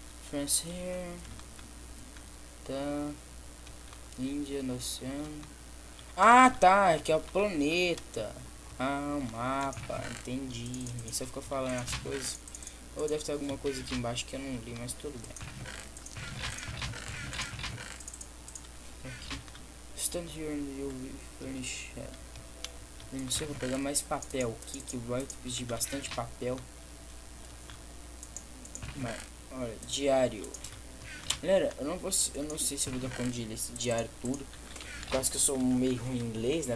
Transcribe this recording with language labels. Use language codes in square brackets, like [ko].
[en] France here. [pt] Tá. Índia no oceano. Ah, tá, aqui é o planeta. Ah, o mapa, entendi. Você ficou falando as coisas. Ou deve ter alguma coisa aqui embaixo que eu não li, mas tudo bem. [en] Stand here and you will finish. [pt] Não sei, vou pegar mais papel aqui, que vai pedir bastante papel. Mas, olha, diário. Galera, eu não sei se eu vou dar conta de ler esse diário tudo. Quase que eu sou meio ruim em inglês, né?